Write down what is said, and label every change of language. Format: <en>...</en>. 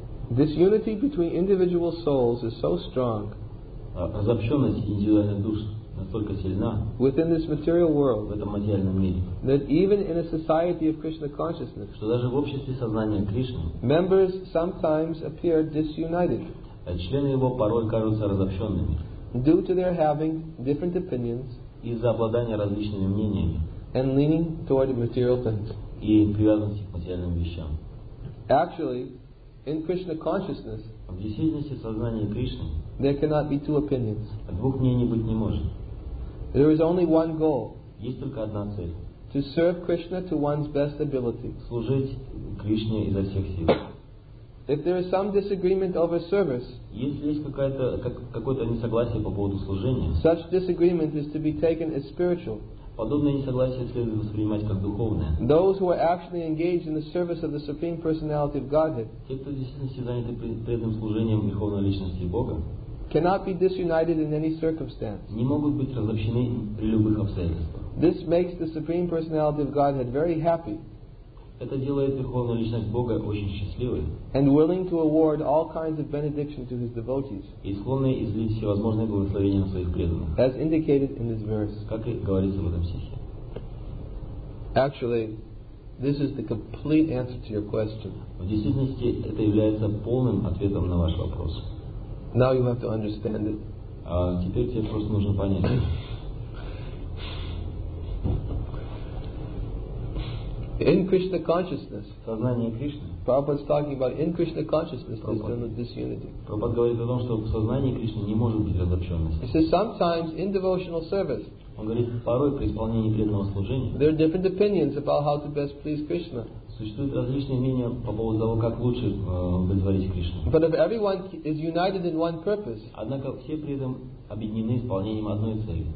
<en>this unity between individual souls is so strong.</en> <ru>Разобщенность индивидуальных душ настолько сильна</ru> <en>within this material world,</en> <ru>в этом материальном мире,</ru> <en>that even in a society of Krishna consciousness,</en> <ru>что даже в обществе сознания Кришны,</ru> <en>members sometimes appear disunited.</en> <ru>Члены его порой кажутся разобщенными,</ru> <en>due to their having different opinions,</en> <ru>из-за обладания различными мнениями,</ru> <en>and leaning toward material things,</en> <ru>и привязанности к материальным вещам.</ru> <en>Actually, in Krishna consciousness,</en> <ru>в действительности сознания Кришны,</ru> <en>there cannot be two opinions.</en> <ru>Двух мнений быть не может.</ru> <en>There is only one goal.</en> <ru>Есть только одна цель.</ru> <en>To serve Krishna to one's best ability.</en> <ru>Служить Кришне изо всех сил.</ru> <en>If there is some disagreement over service,</en> <ru>если есть какое-то несогласие по поводу служения,</ru> <en>such disagreement is to be taken as spiritual.</en> <ru>Подобное несогласие следует воспринимать как духовное.</ru> <en>Those who are actually engaged in the service of the Supreme Personality of Godhead,</en> <ru>те, кто в действительности заняты преданным служением Верховной Личности Бога,</ru> <en>cannot be disunited in any circumstance.</en> <ru>Не могут быть разобщены при любых обстоятельствах.</ru> <en>This makes the Supreme Personality of Godhead very happy.</en> <ru>Это делает Верховную Личность Бога очень счастливой.</ru> <en>And willing to award all kinds of benediction to his devotees.</en> <ru>И склонной излить всевозможные благословения на своих преданных.</ru> <en>As indicated in this verse.</en> <ru>Как и говорится в этом стихе.</ru> <en>Actually, this is the complete answer to your question.</en> <ru>В действительности это является полным ответом на ваш вопрос.</ru> <en>Now you have to understand it.</en> <ru>Теперь тебе просто нужно понять.</ru> <en>In Krishna consciousness.</en> <ru>Сознание Кришны.</ru> <en>Prabhupada is talking about in Krishna consciousness there is no disunity.</en> <ru>Prabhupada говорит о том, что в сознании Кришны не может быть разобщенности.</ru> <en>He says sometimes in devotional service.</en> <ru>Он говорит, порой при исполнении преданного служения.</ru> <en>There are different opinions about how to best please Krishna.</en> <ru>Существуют различные мнения по поводу того, как лучше удовлетворить Кришну.</ru> <en>But if everyone is united in one purpose.</en> <ru>Однако все при этом объединены исполнением одной цели.</ru>